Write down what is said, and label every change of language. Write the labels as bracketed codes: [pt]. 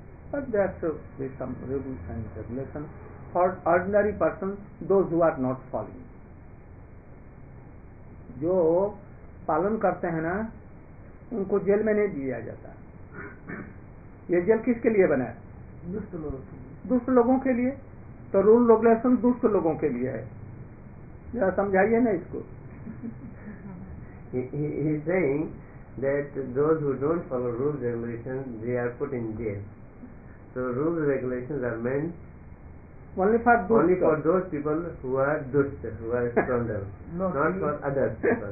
[en] But that's with some rules and regulations for ordinary persons, those who are not following. [hi] जो पालन करते हैं ना उनको जेल में नहीं दिया जाता। ये जेल किसके लिए बना है? दुष्ट लोगों के लिए। तो रूल रेगुलेशन दुष्ट लोगों के लिए है, जरा समझाइए ना इसको। [en] He is saying that those who don't follow rules regulations, they are put in jail. So rules regulations are meant only for those people who are dust, who are stronger, not for other people.